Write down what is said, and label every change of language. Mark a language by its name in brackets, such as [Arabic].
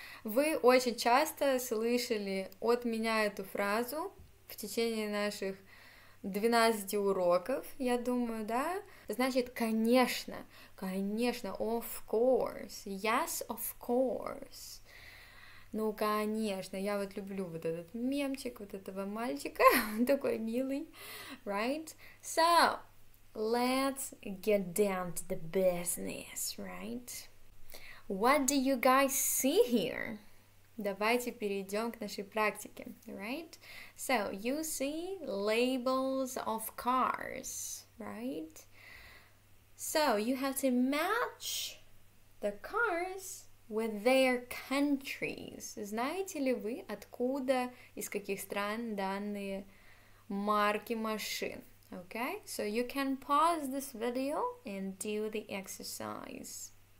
[Russian] Вы очень часто слышали от меня эту фразу в течение наших 12 уроков, я думаю, да? Значит, конечно, конечно, [English] of course. Yes, of course. [Russian] Ну, конечно, я вот люблю вот этот мемчик, вот этого мальчика, он такой милый, right? [English] So, let's get down to the business, right? What do you guys see here? [Russian] Давайте перейдем к нашей практике, right? [English] So, you see labels of cars, right? So, you have to match the cars with their countries. [Russian] Знаете ли вы, откуда, из каких стран данные марки машин? [English] Okay? So you can pause this video and do the exercise.